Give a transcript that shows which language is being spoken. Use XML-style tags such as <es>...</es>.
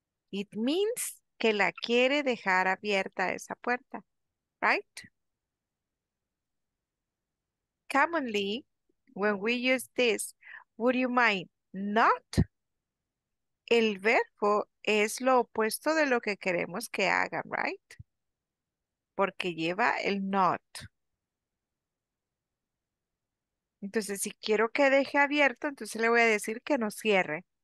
<en>It means</en> <es>que la quiere dejar abierta esa puerta, right?</es> <en>Commonly, when we use this, would you mind not?</en> <es>El verbo es lo opuesto de lo que queremos que hagan, right? Porque lleva el not. Entonces, si quiero que deje abierto, entonces le voy a decir que no cierre.</es>